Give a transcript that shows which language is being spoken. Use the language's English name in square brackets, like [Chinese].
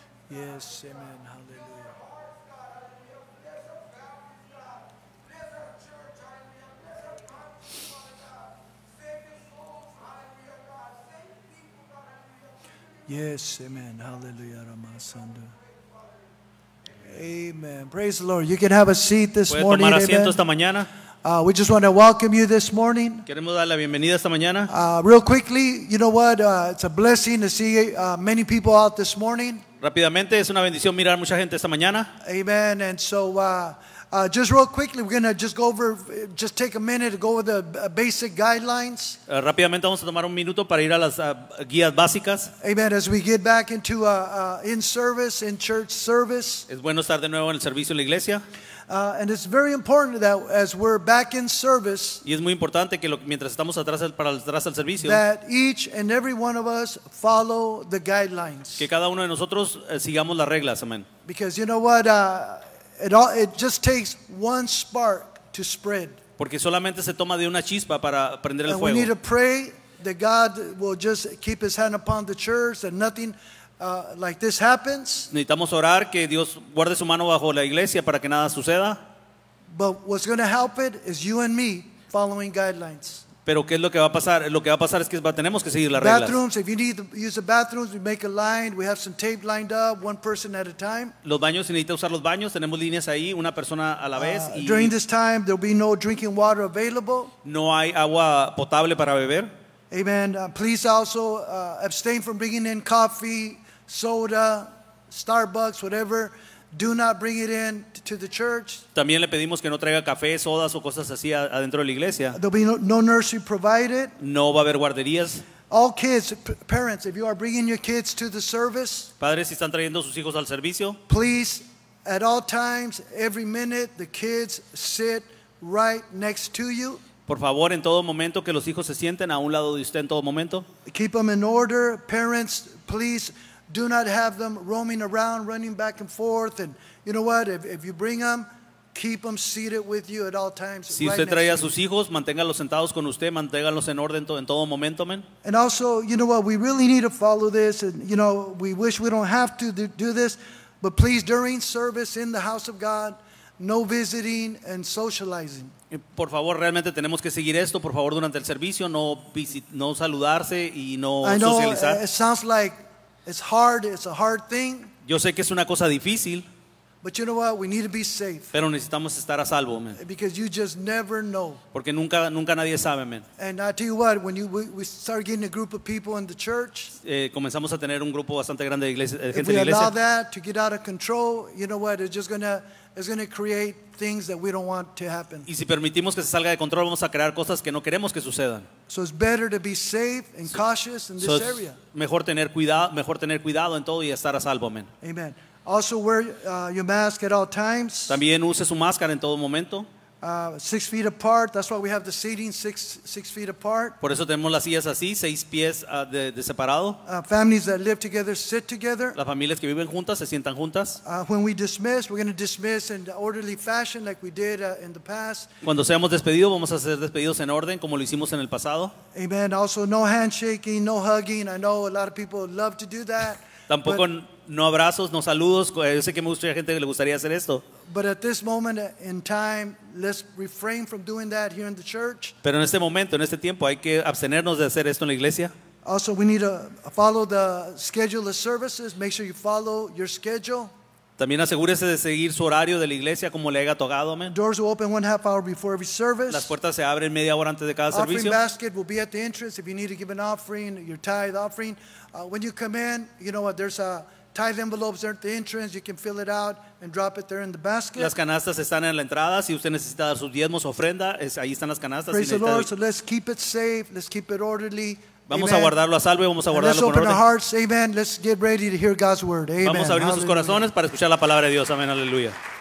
[English] Yes, amen. Hallelujah. Yes, amen. Hallelujah. Ramasandu. Amen. Praise the Lord. You can have a seat this morning. [Spanish] ¿Puede tomar asiento esta mañana? [English] We just want to welcome you this morning. [Spanish] Queremos dar la bienvenida esta mañana. [English] Real quickly, you know what? It's a blessing to see many people out this morning. [Spanish] Rápidamente, es una bendición mirar mucha gente esta mañana. [English] Amen. And so, just real quickly, we're going to just go over, just take a minute to go over the basic guidelines. [Spanish] Rápidamente, vamos a tomar un minuto para ir a las guías básicas. [English] Amen. As we get back into in service, in church service. [Spanish] Es bueno estar de nuevo en el servicio en la iglesia. [English] And it's very important that as we're back in service, [Spanish] y es muy importante que mientras estamos atrás para atrás al servicio, [English] that each and every one of us follow the guidelines. [Spanish] Que cada uno de nosotros sigamos las reglas, amen. [English] Because you know what, it just takes one spark to spread. [Spanish] Porque solamente se toma de una chispa para prender el fuego. [English] And we need to pray that God will just keep His hand upon the church and nothing. Like this happens. [Spanish] Necesitamos orar que Dios guarde su mano bajo la iglesia para que nada suceda. [English] But what's going to help it is you and me following guidelines. [Spanish] Pero qué es lo que va a pasar? Lo que va a pasar es que tenemos que seguir las reglas. [English] Bathrooms, if you need to use the bathrooms, we make a line. We have some tape lined up, one person at a time. [Spanish] Los baños, si necesita usar los baños, tenemos líneas ahí, una persona a la vez. [English] During this time, there'll be no drinking water available. [Spanish] No hay agua potable para beber. [English] Amen. Please also abstain from bringing in coffee, soda, Starbucks, whatever. Do not bring it in to the church. [Spanish] También le pedimos que no traiga café, sodas o cosas así adentro de la iglesia. [English] There'll be no nursery provided. [Spanish] No va a haber guarderías. [English] All kids, parents, if you are bringing your kids to the service, [Spanish] padres, si están trayendo sus hijos al servicio, [English] please, at all times, every minute, the kids sit right next to you. [Spanish] Por favor, en todo momento, que los hijos se sienten a un lado de usted en todo momento. [English] Keep them in order. Parents, please, do not have them roaming around, running back and forth. And you know what? If you bring them, keep them seated with you at all times. [Spanish] Si usted trae a sus hijos, manténgalos sentados con usted, manténgalos en orden en todo momento, amen. [English] And also, you know what? We really need to follow this. And you know, we wish we don't have to do this. But please, during service in the house of God, no visiting and socializing. [Spanish] Por favor, realmente tenemos que seguir esto. Por favor, durante el servicio, no saludarse y no socializar. [English] I know it sounds like it's hard. It's a hard thing. [Spanish] Yo sé que es una cosa difícil. [English] But you know what? We need to be safe. [Spanish] Pero necesitamos estar a salvo, man. [English] Because you just never know. [Spanish] Porque nunca nadie sabe, man. [English] And I tell you what, when we start getting a group of people in the church, [Spanish] comenzamos a tener un grupo bastante grande de iglesia, gente de la iglesia. [English] If we allow that to get out of control, you know what? It's going to create things that we don't want to happen. [Spanish] Y si permitimos que se salga de control, vamos a crear cosas que no queremos que sucedan. [English] So it's better to be safe and cautious in this area. [Spanish] Mejor tener cuidado en todo y estar a salvo, amen. [English] Amen. Also wear your mask at all times. [Spanish] También use su máscara en todo momento. [English] 6 feet apart. That's why we have the seating six feet apart. [Spanish] Por eso tenemos las sillas así, 6 pies de separado. [English] Families that live together sit together. [Spanish] Las familias que viven juntas se sientan juntas. [English] When we dismiss, we're going to dismiss in orderly fashion, like we did in the past. [Spanish] Cuando seamos despedidos, vamos a ser despedidos en orden, como lo hicimos en el pasado. [English] Amen. Also, no handshaking, no hugging. I know a lot of people love to do that. [Spanish] Tampoco no abrazos, no saludos. Yo sé que mucha gente le gustaría hacer esto. [English] But at this moment in time, let's refrain from doing that here in the church. [Spanish] Pero en este momento, en este tiempo, hay que abstenernos de hacer esto en la iglesia. [English] Also, we need to follow the schedule of services. Make sure you follow your schedule. [Spanish] También asegúrese de seguir su horario de la iglesia como le haya tocado, amén. [English] Doors will open 1.5 hour before every service. [Spanish] Las puertas se abren media hora antes de cada [English] offering [Spanish] servicio. [English] Offering basket will be at the entrance if you need to give an offering, your tithe offering. When you come in, you know what, there's a tithe envelopes there at the entrance. You can fill it out and drop it there in the basket. [Spanish] Las canastas están en la entrada. Si usted necesita dar sus diezmos, ofrenda, ahí están las canastas. [English] Praise the Lord. So let's keep it safe. Let's keep it orderly. [Spanish] Vamos a guardarlo a salvo y vamos a guardarlo con orden. [English] Let's get ready to hear God's word. Amen. [Spanish] Vamos a abrir nuestros corazones para escuchar la palabra de Dios. Amén. Aleluya.